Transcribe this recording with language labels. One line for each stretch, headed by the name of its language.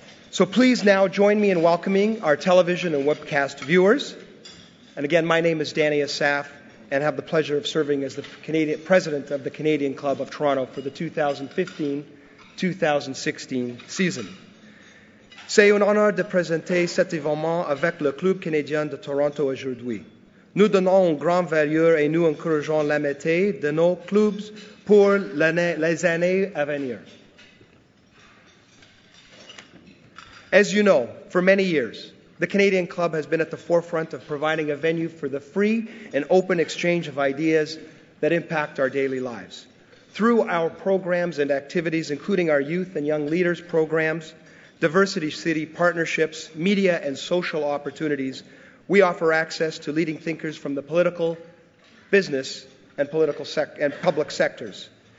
English: So please now join me in welcoming our television and webcast viewers. And again, my name is Danny Asaf, and I have the pleasure of serving as the Canadian President of the Canadian Club of Toronto for the 2015-2016 season.
French: C'est un honneur de présenter cet événement avec le Club Canadien de Toronto aujourd'hui. Nous donnons une grande valeur et nous encourageons l'amitié de nos clubs pour les années à venir.
English: As you know, for many years, the Canadian Club has been at the forefront of providing a venue for the free and open exchange of ideas that impact our daily lives. Through our programs and activities, including our youth and young leaders programs, Diversity City partnerships, media and social opportunities, we offer access to leading thinkers from the political, business, and public sectors.